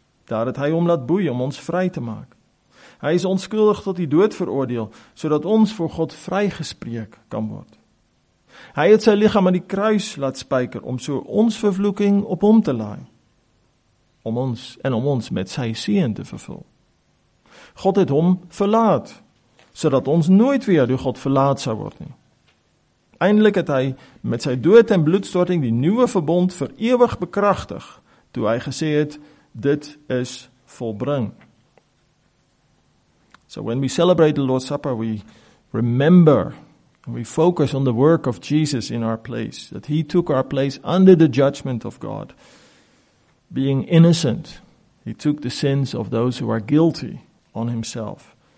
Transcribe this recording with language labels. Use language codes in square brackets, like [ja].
[af] Daar het hy hom laat boei om ons vry te maak. Hy is onskuldig tot die dood veroordeel, sodat ons voor God vrygespreek kan word. Hy het sy lichaam aan die kruis laat spyker, om so ons vervloeking op hom te laai, om ons en om ons met sy seën te vervul. God het hom verlaat, sodat ons nooit weer door God verlaat sou word nie. Eindelijk het hy met sy dood en bloedstorting die nieuwe verbond vir ewig bekrachtig, toe hy gesê het, dit is volbring. [en] So when we celebrate the Lord's Supper, we remember, we focus on the work of Jesus in our place, that he took our place under the judgment of God. Being innocent, he took the sins of those who are guilty on himself.